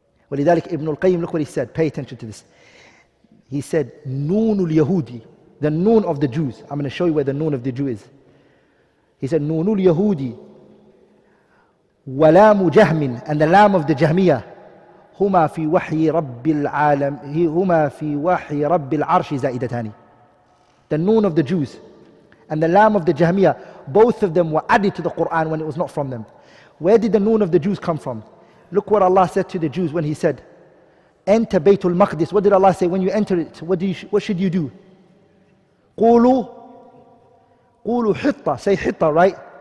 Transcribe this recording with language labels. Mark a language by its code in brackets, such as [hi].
[en] ولذلك ابن القيم, look what he said, pay attention to this. He said, [ar] نون اليهودي, [en] the نون of the Jews. I'm going to show you where the نون of the Jew is. He said, [ar] نون اليهودي ولام جهم, [en] and the lamb of the [ar] جهمية, هما في وحي رب العالم, هما في وحي رب العرش زائدتان. [en] The نون of the Jews and the lamb of the جهمية, both of them were added to the Quran when it was not from them. Where did the نون of the Jews come from? Look what Allah said to the Jews when he said, enter Baytul Maqdis. What did Allah say when you enter it? What should you do? Qulu, Qulu Hitta, say Hitta, right?